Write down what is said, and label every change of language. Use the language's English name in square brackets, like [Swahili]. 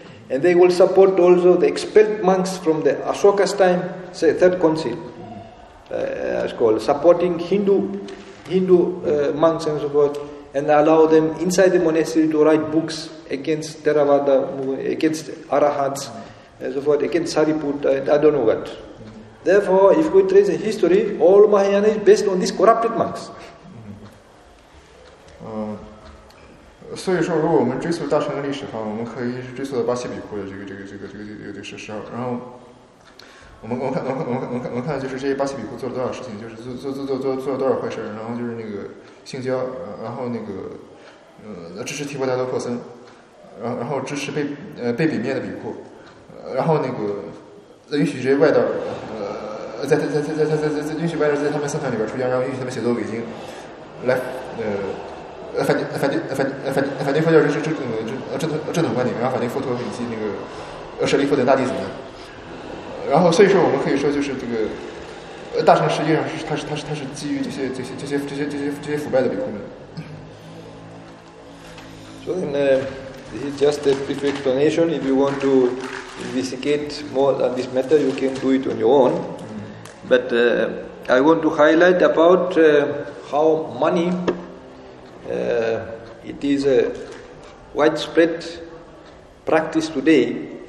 [English] And they will support also the expelled monks from the Ashoka's time, say, third council, it's called, supporting Hindu monks and so forth, and allow them inside the monastery to write books against Theravada, against Arahats, and so forth, against Sariputta, and I don't know what. Therefore, if we trace the history, all Mahayana is based on these corrupted monks. [Chinese] 所以说，如果我们追溯大乘的历史的话，我们可以追溯到巴西比库的这个时候。然后，我们看，就是这些巴西比库做了多少事情，就是做了多少坏事。然后就是那个性交，然后那个支持提婆达多破僧，然后支持被贬灭的比库，然后那个允许这些外道。在允许外人在他们僧团里边出家，然后允许他们写作伪经，来，反对佛教正统观点，然后反对佛陀以及那个舍利弗等大弟子们。然后所以说我们可以说就是这个，大乘实际上是他是基于这些腐败的比库们。 [English] So then, this is just a brief explanation. If you want to investigate more on this matter, you can do it on your own. But I want to highlight about how money, it is a widespread practice today